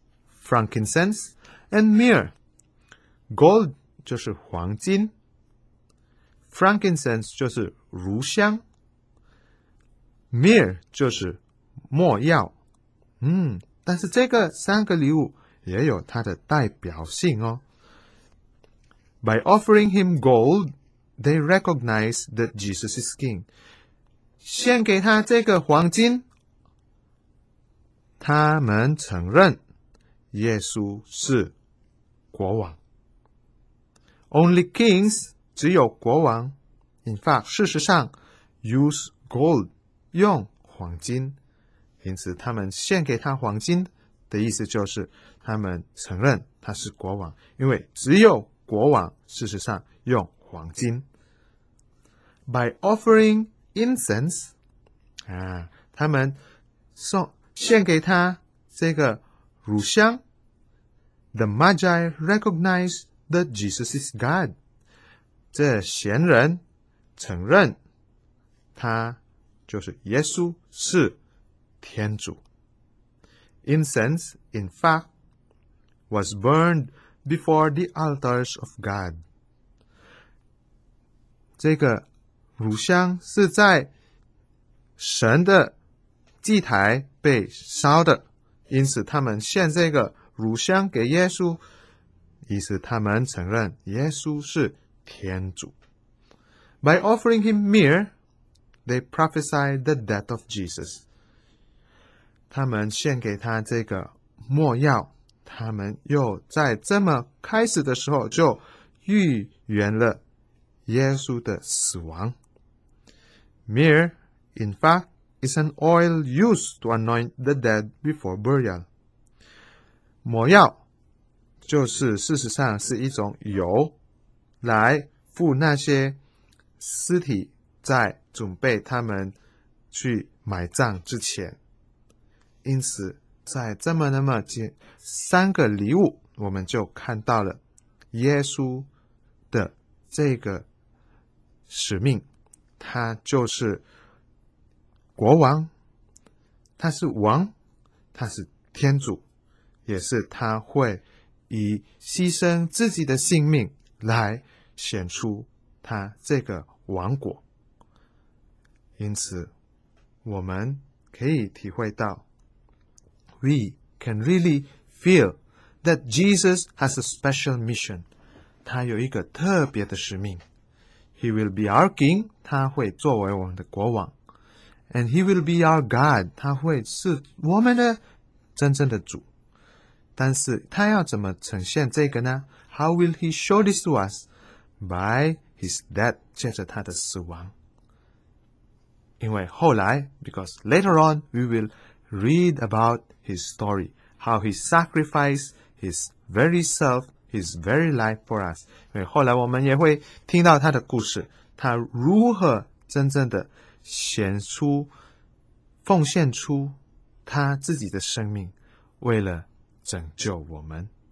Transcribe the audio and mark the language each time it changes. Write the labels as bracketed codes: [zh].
[en] frankincense and myrrh. [zh] Gold 就是黄金 ，frankincense 就是乳香 ，myrrh 就是墨药。但是这个三个礼物也有它的代表性哦。 [en] By offering him gold, they recognize that Jesus is king. [zh] 献给他这个黄金，他们承认耶稣是国王。 [en] Only kings, [zh] 只有国王。 [en] In fact, [zh] 事实上 [en] use gold, [zh] 用黄金。因此他们献给他黄金的意思就是他们承认他是国王。因为只有国王事实上用黄金。 [en] By offering incense, [zh] 他们送献给他这个乳香。 [en] The Magi recognize that Jesus is God. [zh] 这贤人承认他就是耶稣是天主。 [en] Incense, in fact, was burned before the altars of God. [zh] 这个乳香是在神的祭台被烧的，因此他们献这个乳香给耶稣，意思他们承认耶稣是天主。 [en] By offering him myrrh, they prophesied the death of Jesus. [zh] 他们献给他这个墨药，他们又在这么开始的时候就预言了耶稣的死亡。 [en] Myrrh, in fact, is an oil used to anoint the dead before burial. [zh] 抹药就是事实上是一种油来敷那些尸体在准备他们去埋葬之前。因此在这么那么近三个礼物我们就看到了耶稣的这个使命。他就是国王，他是王，他是天主，也是他会以牺牲自己的性命来显出他这个王国。因此我们可以体会到 [en] We can really feel that Jesus has a special mission. [zh] 他有一个特别的使命。 [en] He will be our king, [zh] 他会作为我们的国王。 [en] And he will be our God, [zh] 他会是我们的真正的主。但是他要怎么呈现这个呢？ [en] How will he show this to us? By his death, [zh] 借着他的死亡。因为后来 [en] because later on, we will read about his story, how he sacrificed his very self,His very life for us. [zh] 因为后来我们也会听到他的故事，他如何真正的显出、奉献出他自己的生命，为了拯救我们。